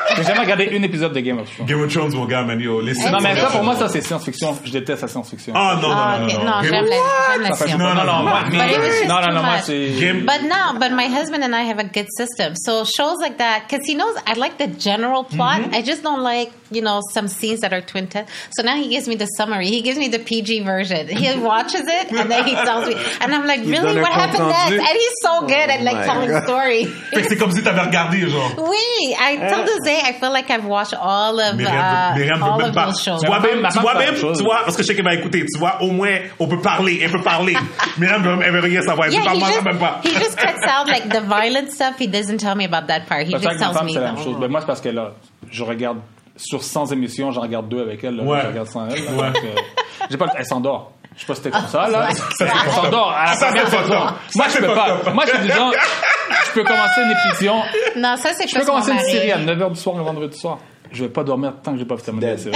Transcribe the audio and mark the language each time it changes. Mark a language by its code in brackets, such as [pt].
[fr] J'ai jamais regardé un épisode de Game of Thrones. Game of Thrones, mon gars, Manio. Non, mais ça, pour moi, ça, c'est science-fiction. Je déteste la science-fiction. [en] But my husband and I have a good system. So shows like that, because he knows I like the general plot. Mm-hmm. I just don't like, you know, some scenes that are twin tests. So now he gives me the summary. He gives me the PG version. He watches it, and then he tells me. And I'm like, really? What happened next? And he's so good at, like, telling the story. [fr] Fait que c'est comme si t'avais regardé, genre. [en] Oui, I told the day, I feel like I've watched all of those shows. [fr] Tu vois, parce que je sais qu'il m'a écouté, tu vois, au moins, on peut parler, elle peut parler. Myriam, elle veut rien savoir, elle peut parler même pas. [en] He just cuts out, like, the violent stuff, he doesn't tell me about that part, he just tells me. [fr] C'est la même chose, mais moi, c'est parce que là, je regarde sur 100 émissions, j'en regarde deux avec elle, je regarde sans elle. Elle s'endort. Je sais pas si t'es comme ça, là. Ça s'endort. Ça fait pas ça. Moi, je peux pas. Moi, je suis du genre, je peux commencer une émission. Non, ça, c'est je peux commencer une série à 9h du soir, le vendredi soir. Je vais pas dormir tant que j'ai pas fait ma série.